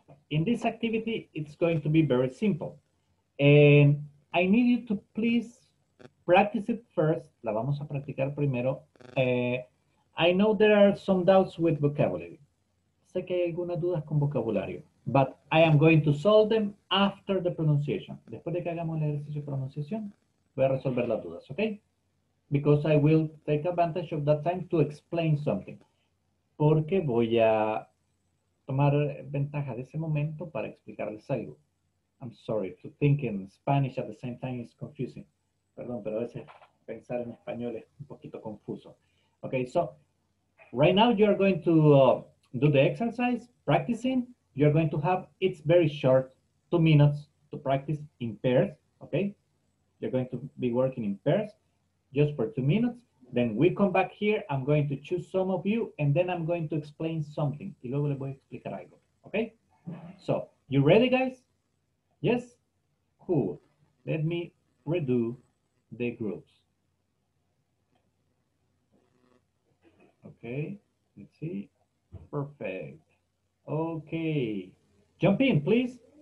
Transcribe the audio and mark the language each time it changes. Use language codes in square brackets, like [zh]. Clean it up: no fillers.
[en] In this activity, it's going to be very simple. And I need you to please practice it first. [es] La vamos a practicar primero. [en] I know there are some doubts with vocabulary. [es] Sé que hay algunas dudas con vocabulario. [en] But I am going to solve them after the pronunciation. [es] Después de que hagamos el ejercicio de pronunciación, voy a resolver las dudas, okay? [en] Because I will take advantage of that time to explain something. [es] Porque voy a tomar ventaja de ese momento para explicarles algo. [en] I'm sorry, to think in Spanish at the same time is confusing. [es] Perdón, pero a veces pensar en español es un poquito confuso. [en] Okay, so right now you are going to do the exercise, practicing. You're going to have, it's very short, 2 minutes to practice in pairs, okay? You're going to be working in pairs just for 2 minutes. Then we come back here. I'm going to choose some of you, and then I'm going to explain something. [es] Y luego le voy a explicar algo, okay? [en] So, you ready, guys? Yes? Cool. Let me redo the groups. Okay, let's see. Perfect. Okay. Jump in, please.